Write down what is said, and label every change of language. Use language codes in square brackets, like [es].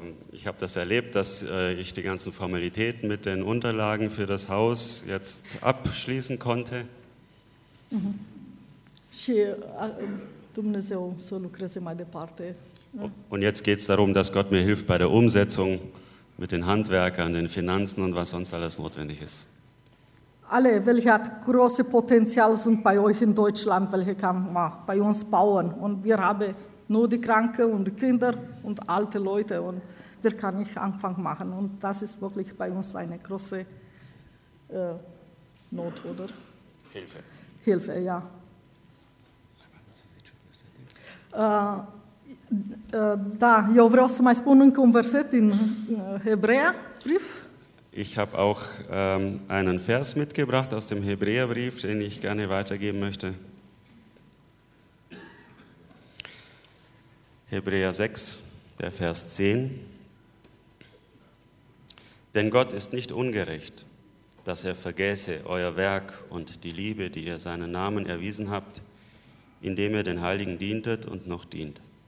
[de] Ich habe das erlebt, dass ich die ganzen Formalitäten mit den Unterlagen für das Haus jetzt abschließen konnte. [ro] Și Dumnezeu să lucreze mai departe. [de] Und jetzt geht es darum, dass Gott mir hilft bei der Umsetzung mit den Handwerkern, den Finanzen und was sonst alles notwendig ist. Alle, welche hat große Potenzial sind bei euch in Deutschland, welche kann man bei uns bauen. Und wir haben nur die Kranken und die Kinder und alte Leute und wir kann nicht anfangen machen. Und das ist wirklich bei uns eine große Not, oder? Hilfe. Hilfe, ja. [ro] Da, eu vreau să mai spun încă un verset din Hebreerbrief. [de] Ich habe auch einen Vers mitgebracht aus dem Hebräerbrief, den ich gerne weitergeben möchte. Hebräer 6, der Vers 10. Denn Gott ist nicht ungerecht, dass er vergäße euer Werk und die Liebe, die ihr seinen Namen erwiesen habt, indem ihr den Heiligen dientet und noch dient.